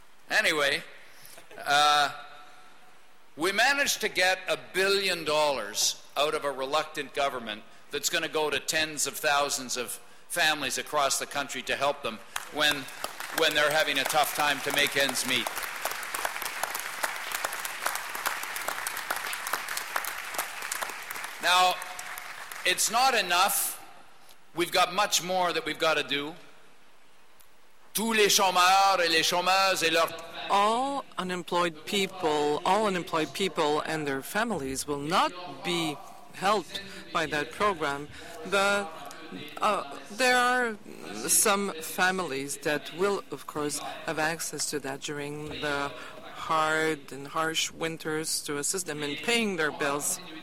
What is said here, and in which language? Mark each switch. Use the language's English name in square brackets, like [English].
[English] Anyway, we managed to get $1 billion out of a reluctant government that's going to go to tens of thousands of families across the country to help them when they're having a tough time to make ends meet. Now, it's not enough. We've got much more that we've got to do. [French] Tous les chômeurs et les chômeuses et leurs... [English] All unemployed people and their families will not be helped by that program. There are some families that will, of course, have access to that during the hard and harsh winters to assist them in paying their bills.